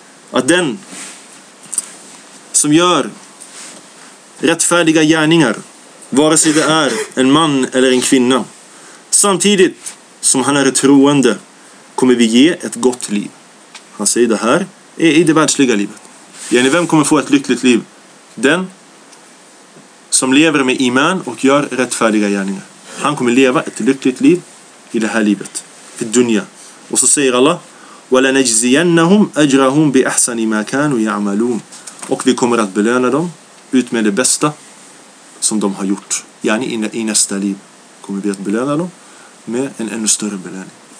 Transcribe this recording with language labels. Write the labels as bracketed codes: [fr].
[sv] Att den som gör rättfärdiga gärningar, vare sig det är en man eller en kvinna, samtidigt som han är troende, kommer vi ge ett gott liv. Han säger det här är i det världsliga livet. Yani, vem kommer få ett lyckligt liv? Den som lever med iman och gör rättfärdiga gärningar. Han kommer leva ett lyckligt liv i det här livet, i dunya. Och så säger Allah: [ar] وَلَنَجْزِيَنَّهُمْ أَجْرَهُمْ بِأَحْسَنِ مَا كَانُوا يَعْمَلُونَ. [sv] Och vi kommer att belöna dem ut med det bästa som de har gjort. Yani, i nästa liv kommer vi att belöna dem med en ännu större belöning.